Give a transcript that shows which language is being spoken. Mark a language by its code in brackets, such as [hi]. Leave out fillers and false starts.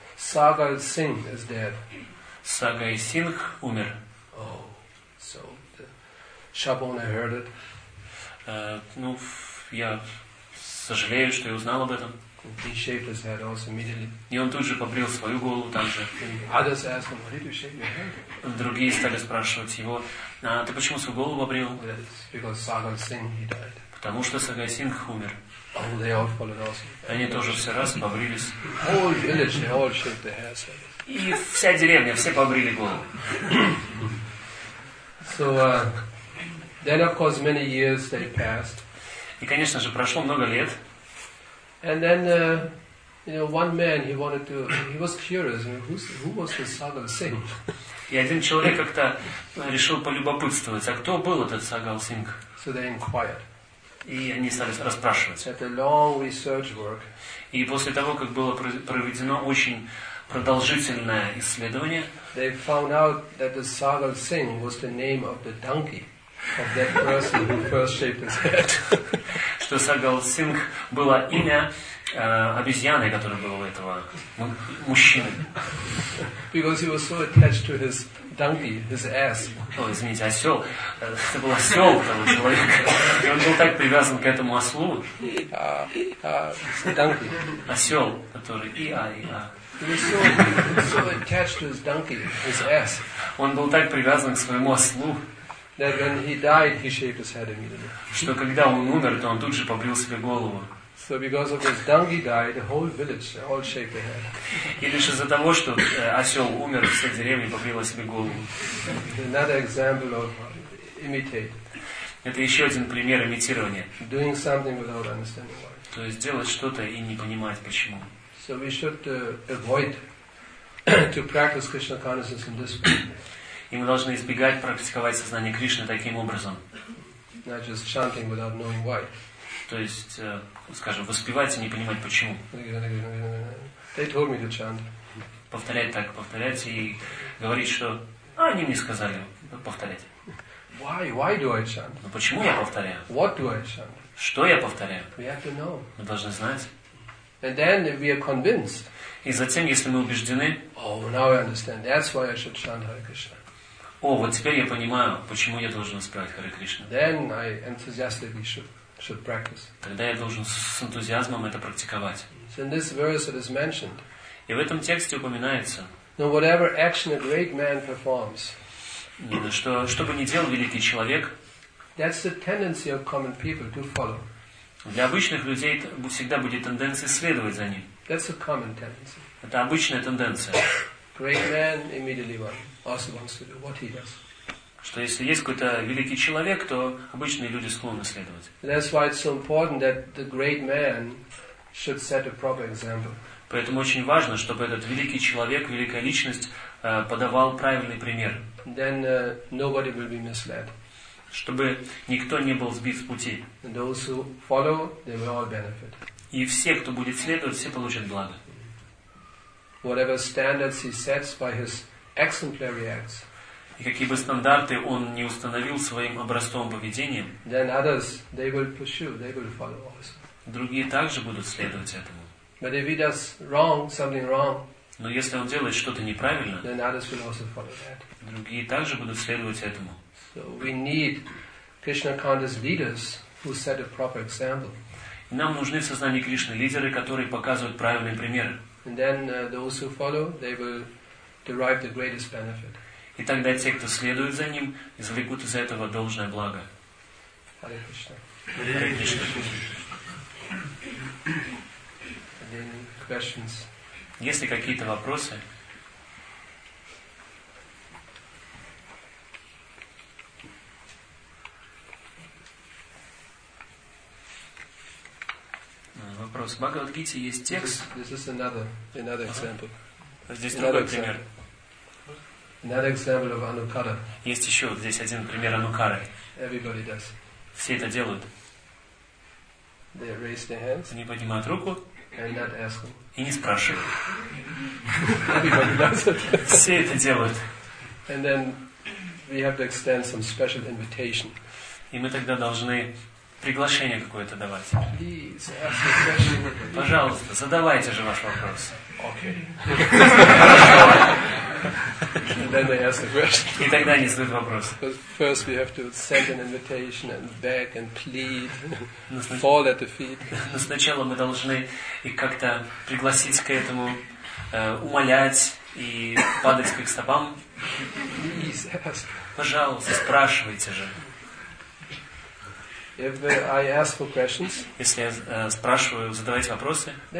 [en] Sagar Singh is dead. [ru] Сагай Сингх умер. [en] Oh, so the shop owner heard it. [ru] Ну, я... Сожалею, что я узнал об этом. [en] He shaved his head also immediately. [ru] И он тут же побрил свою голову также. [en] Others asked him, why did you shave your head? [ru] Другие стали спрашивать его, а ты почему свою голову побрил? [en] Because Sagar Singh, he died. [ru] Потому что Сагар Сингх умер. [en] Oh, they all followed also. [ru] Они тоже все раз побрились. [en] Whole village, they all shaved their heads. [ru] И вся деревня, все побрили голову. [en] So, then of course many years they passed. [ru] И, конечно же, прошло много лет. [en] And then, you know, one man he wanted to, he was curious, who was this Sagar Singh? [ru] И один человек как-то решил полюбопытствовать, а кто был этот Сагар Сингх? [en] So they inquired. [ru] И они стали расспрашивать. [en] It's a long research work. [ru] И после того, как было проведено очень продолжительное исследование, [en] they found out that the Sagar Singh was the name of the donkey. of that person who first shaped his head. [ru] Что Сагал Синг было имя обезьяны, которое было у этого мужчины. [en] Because he was so attached to his donkey, his ass. [ru] О, извините, осел. Это был осел того человека. И он был так привязан к этому ослу. [en] Donkey. [ru] Осел, который и-а-и-а. [en] He was so attached to his donkey, his ass. [ru] Он был так привязан к своему ослу. [en] That when he died, he shaved his head immediately. [ru] Что когда он умер, то он тут же побрил себе голову. [en] So because of his donkey died, the whole village all shaved their head. [ru] И лишь из-за того, что осел умер, вся деревня побрила себе голову. [en] Another example of imitate. [ru] Это еще один пример имитирования. [en] Doing something without understanding why. [ru] То есть делать что-то и не понимать почему. [en] So we should avoid to practice Krishna consciousness in this way. [ru] И мы должны избегать практиковать сознание Кришны таким образом. [en] Not just chanting without knowing why. [ru] То есть, скажем, воспевать и не понимать почему. [en] They told me to chant. [ru] Повторять так, повторять и говорить, что они мне сказали повторять. [en] Why? Why do I chant? [ru] Но почему я повторяю? [en] What do I chant? [ru] Что я повторяю? [en] We have to know. [ru] Мы должны знать. [en] And then we are convinced. [ru] И затем, если мы убеждены. [en] Oh, now I understand. That's why I should chant Hare Krishna. [ru] О, вот теперь я понимаю, почему я должен воспевать Харе Кришна. [en] Then I enthusiastically should practice. [ru] Тогда я должен с энтузиазмом это практиковать. [en] So in this verse it is mentioned. [ru] И в этом тексте упоминается. [en] Now whatever action a great man performs. [ru] Что бы ни делал великий человек. [en] That's the tendency of common people to follow. [ru] Для обычных людей всегда будет тенденция следовать за ним. [en] That's a common tendency. [ru] Это обычная тенденция. [en] Great man immediately also wants to do what he does. [ru] Что если есть какой-то великий человек, то обычные люди склонны следовать. [en] That's why it's so important that the great man should set a proper example. [ru] Поэтому очень важно, чтобы этот великий человек, великая личность подавал правильный пример. [en] Then nobody will be misled. [ru] Чтобы никто не был сбит с пути. [en] Those who follow, they will all benefit. [ru] И все, кто будет следовать, все получат благо. [en] Whatever standards he sets by his exemplary acts. [ru] И какие бы стандарты он не установил своим образцовым поведением. [en] Then others, they will pursue, they will follow also. [ru] Другие также будут следовать этому. [en] But if he does wrong, something wrong. [ru] Но если он делает что-то неправильно. [en] Then others will also follow that. [ru] Другие также будут следовать этому. [en] So we need Krishna conscious leaders who set a proper example. [ru] Нам нужны в сознании Кришны лидеры, которые показывают правильный пример. [en] And then those who follow, they will derive the greatest benefit. [ru] И тогда те, кто следует за ним, извлекут из этого должное благо. [en] Hare Krishna. Hare Krishna. Are there any questions? [ru] Есть ли какие-то вопросы? Вопрос. В Бхагавад-гите есть текст. [en] This is another example. [ru] Здесь другой пример. [en] Another example of Anukara. [ru] Есть еще здесь один пример Анукары. [en] Everybody does. [ru] Все это делают. [en] They raise their hands. [ru] Они поднимают руку. [en] And not ask. [ru] И не спрашивают. [en] Everybody does it. [ru] Все это делают. [en] And then we have to extend some special invitation. [ru] И мы тогда должны приглашение какое-то давать. [en] Please, [ru] пожалуйста, задавайте же ваш вопрос. [en] Okay. [ru] И тогда они задают вопрос. [en] First we have to send an invitation and beg and plead, fall at the feet. [ru] Но сначала мы должны их как-то пригласить к этому, умолять и падать к их стопам. [en] Please, [ru] пожалуйста, спрашивайте же. [en] If I ask for questions, если я спрашиваю, задавайте вопросы.